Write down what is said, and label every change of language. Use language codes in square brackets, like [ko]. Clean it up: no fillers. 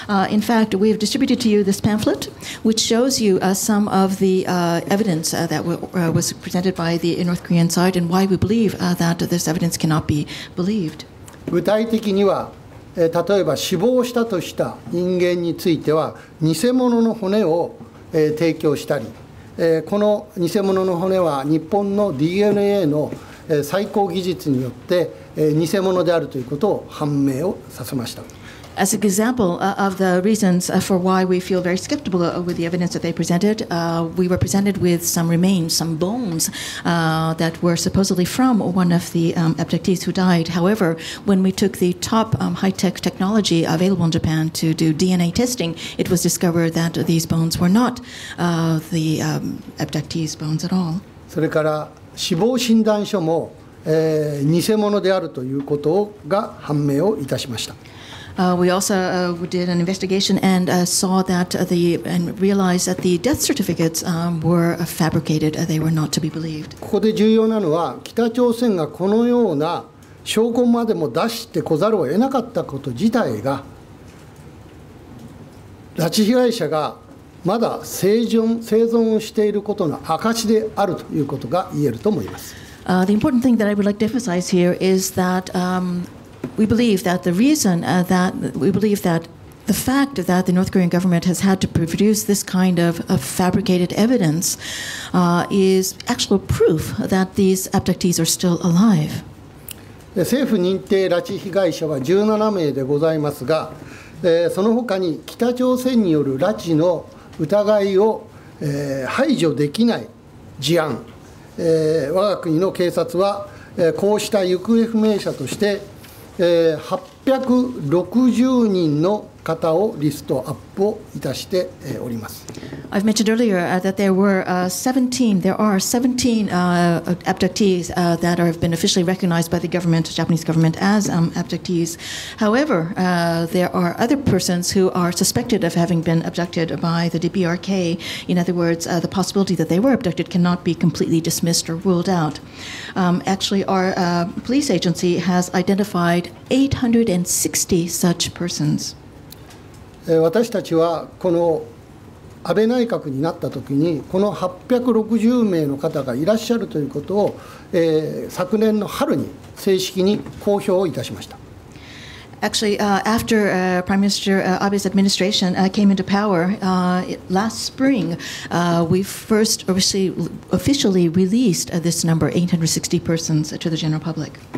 [en] In fact, we have distributed to you this pamphlet, which shows you some of the evidence that was presented by the North Korean side and why we believe that this evidence cannot be believed. [ja] 具体的には、例えば死亡したとした人間については、偽物の骨を、提供したり、この偽物の骨は日本の DNA の最高技術によって偽物であるということを判明をさせました。 [en] As an example of the reasons for why we feel very skeptical with the evidence that they presented, we were presented with some remains, some bones that were supposedly from one of the abductees who died. However, when we took the top high-tech technology available in Japan to do DNA testing, it was discovered that these bones were not the abductees' bones at all. [ja] それから死亡診断書も、偽物であるということが判明をいたしました。 [en] We also did an investigation and saw that the and realized that the death certificates were fabricated. They were not to be believed. [ja] ここで重要なのは北朝鮮がこのような証拠までも出してこざるを得なかったこと自体が拉致被害者がまだ生存していることの証であるということが言えると思います。 [en] The important thing that I would like to emphasize here is that we believe that the reason that we believe that the fact that the North Korean government has had to produce this kind of fabricated evidence is actual proof that these abductees are still alive. [ja] 政府認定拉致被害者は17名でございますが、その他に北朝鮮による拉致の疑いを、排除できない事案、我が国の警察は、こうした行方不明者として、 860人の方をリストアップをいたしております。 [en] I've mentioned earlier that there were 17 abductees that have been officially recognized by the government, Japanese government as abductees. However, there are other persons who are suspected of having been abducted by the DPRK. In other words, the possibility that they were abducted cannot be completely dismissed or ruled out. Actually, our police agency has identified 860 such persons. [ja] 私たちはこの安倍内閣になったときにこの860名の方がいらっしゃるということを、昨年の春に正式に公表いたしました。 [en] Actually, after Prime Minister Abe's administration came into power last spring, we first officially released this number, 860 persons, to the general public.